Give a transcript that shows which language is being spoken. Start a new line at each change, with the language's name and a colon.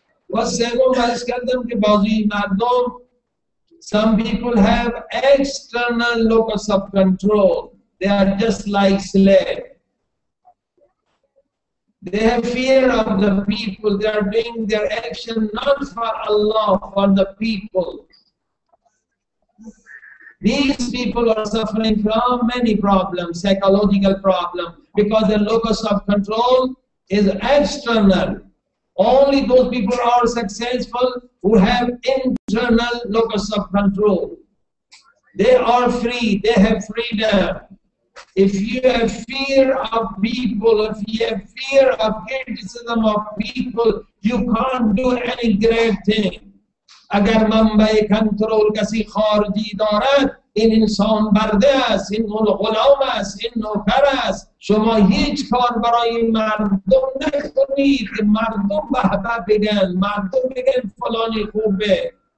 Persian: و سوم بحث کردم که بعضی مردم
English: Some people have external locus of control They are just like slaves They have fear of the people, they are doing their action not for Allah, for the people. These people are suffering from many problems, psychological problems, because their locus of control is external. Only those people are successful who have internal locus of control. They are free, they have freedom. If you have fear of people, if you have fear of criticism of people, you can't do any great thing.
Persian: اگر منبع کنترل کسی خارجی دارد، این انسان برده است، این غلام است، این نوکر است. شما هیچ کار برای مردم نکنید. مردم بهبه بگن، مردم بگن فلانی خوبه.